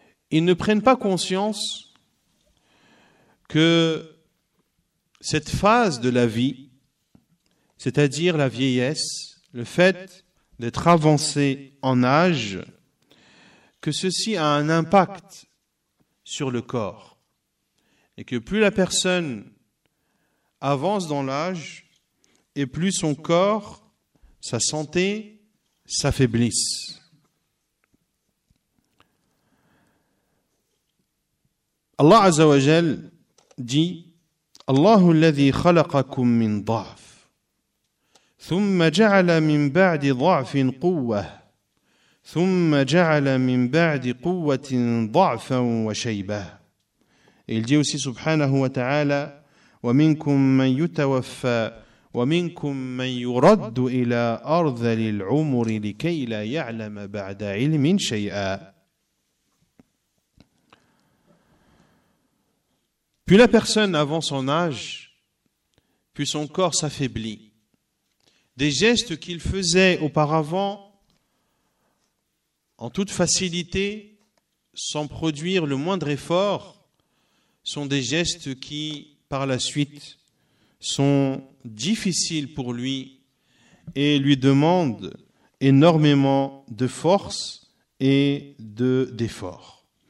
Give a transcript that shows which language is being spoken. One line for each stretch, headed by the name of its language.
French: ils ne prennent pas conscience que cette phase de la vie, c'est-à-dire la vieillesse, le fait d'être avancé en âge, que ceci a un impact sur le corps. Et que plus la personne avance dans l'âge, et plus son corps, sa santé, s'affaiblissent. Allah Azza wa Jal dit
Arabic: « Allah الذي خلقكم من ضعف ثم جعل من بعد ضعف قوة ثم جعل من بعد قوة ضعفا وشيبة »
French: Il dit aussi subhanahu wa ta'ala
Arabic: « ومنكم من يتوفى ومنكم من يرد إلى أرض للعمر لكي لا يعلم بعد علم شيئا »
French: Plus la personne avance en âge, plus son corps s'affaiblit. Des gestes qu'il faisait auparavant en toute facilité, sans produire le moindre effort, sont des gestes qui, par la suite, sont difficiles pour lui et lui demandent énormément de force et d'efforts.